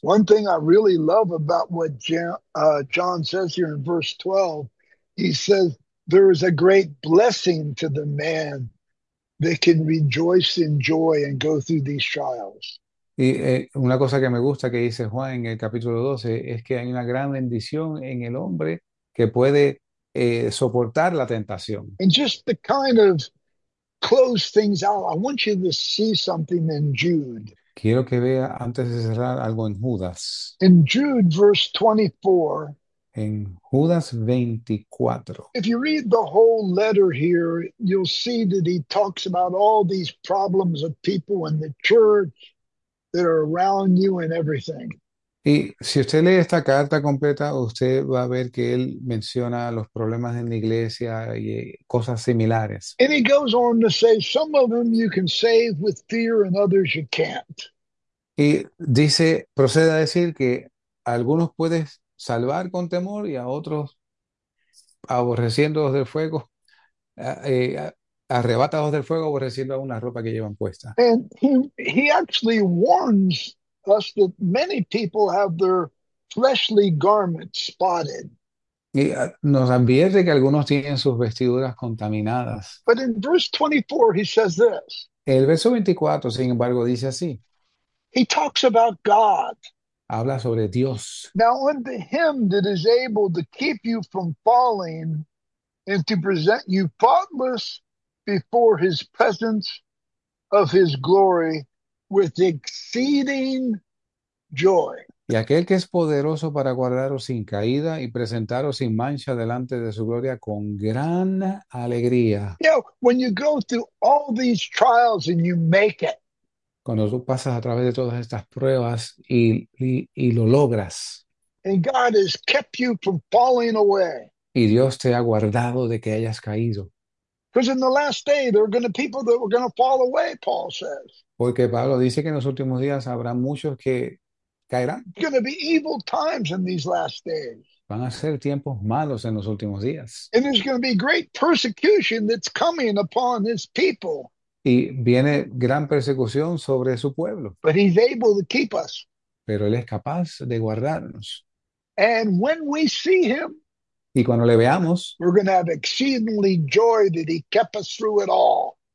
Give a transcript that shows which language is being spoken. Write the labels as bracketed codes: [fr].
[en] One thing I really love about what John says here in verse 12, he says, there is a great blessing to the man. They can rejoice in joy and go through these trials. [es] Y una cosa que me gusta que dice Juan en el capítulo 12 es que hay una gran bendición en el hombre que puede soportar la tentación. [en] And just to kind of close things out, I want you to see something in Jude. [es] Quiero que vea antes de cerrar algo en Judas. [en] In Jude, verse 24. [es] En Judas 24. [en] If you read the whole letter here, you'll see that he talks about all these problems of people in the church that are around you and everything. [es] Y si usted lee esta carta completa, usted va a ver que él menciona los problemas en la iglesia y cosas similares. [en] And he goes on to say, some of them you can save with fear and others you can't. [es] Y dice, procede a decir que a algunos puedes salvar con temor y a otros, aborreciéndolos del fuego, arrebatados del fuego, por decirlo, a una ropa que llevan puesta. [en] And he actually warns us that many people have their fleshly garments spotted. [es] Y nos advierte que algunos tienen sus vestiduras contaminadas. [en] But in verse 24, he says this. [es] El verso 24, sin embargo, dice así. [en] He talks about God. [es] Habla sobre Dios. [en] Now, unto him that is able to keep you from falling and to present you faultless before his presence of his glory with exceeding joy. [es] Y aquel que es poderoso para guardaros sin caída y presentaros sin mancha delante de su gloria con gran alegría. [en] When you go through all these trials and you make it, [es] Cuando tú pasas a través de todas estas pruebas y lo logras, [en] and God has kept you from falling away. [es] y Dios te ha guardado de que hayas caído. [en] Because in the last day, there are going to be people that were going to fall away, Paul says. [es] Porque Pablo dice que en los últimos días habrá muchos que caerán. [en] Going to be evil times in these last days. [es] Van a ser tiempos malos en los últimos días. [en] And there's going to be great persecution that's coming upon his people. [es] Y viene gran persecución sobre su pueblo. [en] But he's able to keep us. [es] Pero él es capaz de guardarnos. [en] And when we see him, [es] Y cuando le veamos, [en] we're going to have exceedingly joy that he kept us through it all.